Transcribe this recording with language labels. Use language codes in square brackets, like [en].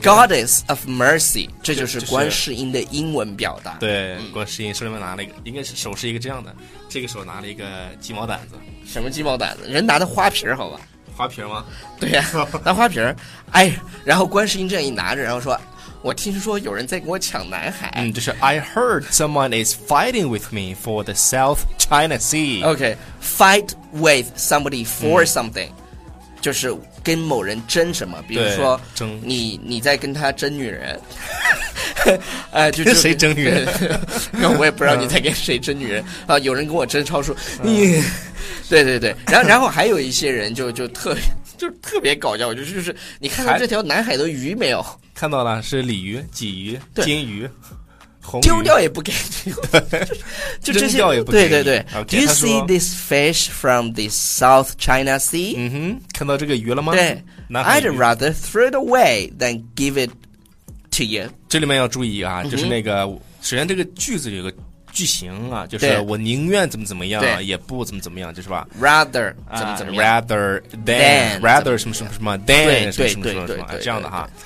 [zh] ，Goddess of Mercy， 这就是观世音的英文表达。对，观世音手里面拿了一个，应该是手是一个这样的，这个手拿了一个鸡毛掸子。什么鸡毛掸子？人拿的花瓶，好吧？花瓶吗？对呀、啊，拿花瓶。哎，然后观世音这样一拿着，然后说。我听说有人在跟我抢南海。嗯，就是 [en] I heard someone is fighting with me for the South China Sea. Okay, fight with somebody for something， [zh] 就是跟某人争什么，比如说你在跟他争女人，就跟谁争女人？我也不知道你在跟谁争女人啊。有人跟我争超叔，你对对对，然后还有一些人就特别搞笑，就是你看到这条南海的鱼没有？看到了，是鲤鱼、鲫鱼、金鱼、红鱼，丢掉也不给你，就这些掉也不给你。对对对 [en] okay, ，Do you see this fish from the South China Sea？ [zh] 嗯哼，看到这个鱼了吗？对 [en] ，I'd rather throw it away than give it to you。 [zh] 这里面要注意啊，就是那个，首先这个句子有个。句型啊，就是我宁愿怎么怎么样，也不怎么怎么样，就是吧？Rather 怎么怎么样？Rather than，rather 什么什么什么 ，than 什么什么什么这样的哈。